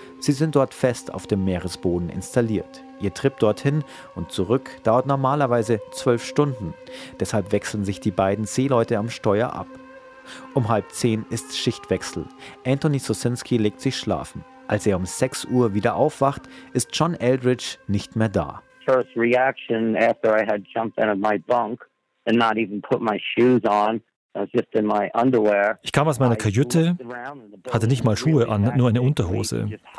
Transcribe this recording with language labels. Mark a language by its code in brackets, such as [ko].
[de] Sie sind dort fest auf dem Meeresboden installiert. Ihr Trip dorthin und zurück dauert normalerweise 12 Stunden. Deshalb wechseln sich die beiden Seeleute am Steuer ab. Um 9:30 ist Schichtwechsel. Anthony Sosinski legt sich schlafen. Als er um 6 Uhr wieder aufwacht, ist John Eldridge nicht mehr da. [en] First reaction after I had jumped out of my bunk and not even put my shoes on. [de] Ich kam aus meiner Kajüte, hatte nicht mal Schuhe an, nur eine Unterhose.